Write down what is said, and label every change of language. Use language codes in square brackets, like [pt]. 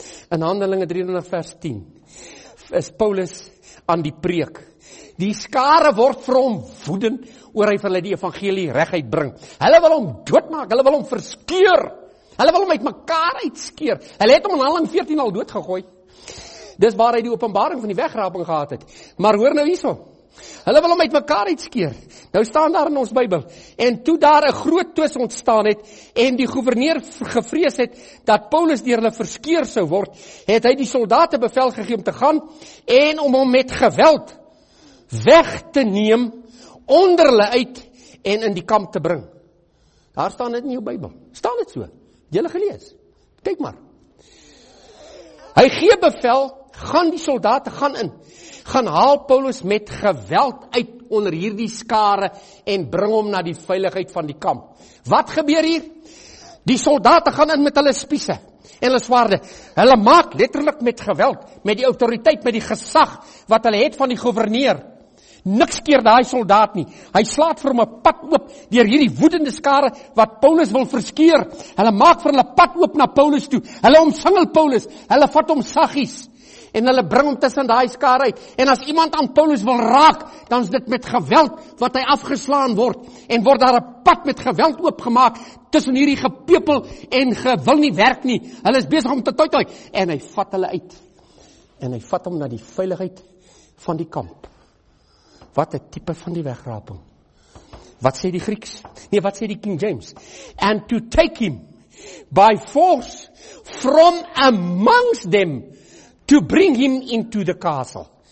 [af] In Handelinge 23 vers 10 is Paulus aan die preek. Die skare word vir hom woedend oor hy vir hulle die evangelie reguit bring. Hulle wil hom doodmaak, hulle wil hom verskeur. Hulle wil hom uitmekaar uitskeer. Hulle het hom in Handelinge 14 al doodgegooi. Dis waar hy die openbaring van die wegraping gehad het. Maar hoor nou hierso. Hulle wil hom uitmekaar uitskeer. Nou staan daar in ons Bybel. En toe daar 'n groot twis ontstaan het en die goewerneur gevrees het dat Paulus deur hulle verskeur sou word, het hy die soldate bevel gegee om te gaan en om hom met geweld weg te neem onder hulle uit en in die kamp te bring. Daar staan dit in jou Bybel. Staan dit so? Het jy gelees? Kyk maar. Hy gee bevel, gaan die soldate gaan in. Gaan haal Paulus met geweld uit onder hierdie skare en bring hom na die veiligheid van die kamp. Wat gebeur hier? Die soldate gaan in met hulle spiese en hulle swaarde. Hulle maak letterlik met geweld, met die autoriteit, met die gesag wat hulle het van die goewerneur. Niks keer daai soldaat nie. Hy slaat vir hom 'n pad oop deur hierdie woedende skare wat Paulus wil verskeur. Hulle maak vir hulle pad oop na Paulus toe. Hulle omsingel Paulus. Hulle vat hom saggies en hulle bring hom tussen daai skare uit. En as iemand aan Paulus wil raak, dan is dit met geweld wat hy afgeslaan word en word daar 'n pad met geweld oopgemaak tussen hierdie gepepel en gewil nie werk nie. Hulle is besig om te toitoi en hy vat hulle uit. En hy vat hom na die veiligheid van die kamp. Wat 'n tipe van die wegraping. Wat sê die Grieks? Nee, wat sê die King James? [en] And to take him by force from amongst them to bring him into the castle.